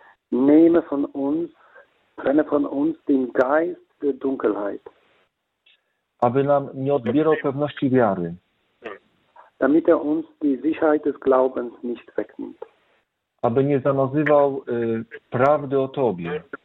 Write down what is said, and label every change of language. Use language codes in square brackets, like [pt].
[de] Nehme von uns, trenne von uns den Geist der Dunkelheit. [pl] Aby nam nie odbierał pewności wiary. [de] Damit uns die Sicherheit des Glaubens nicht wegnimmt. [pl] Aby nie zamazywał prawdy o Tobie.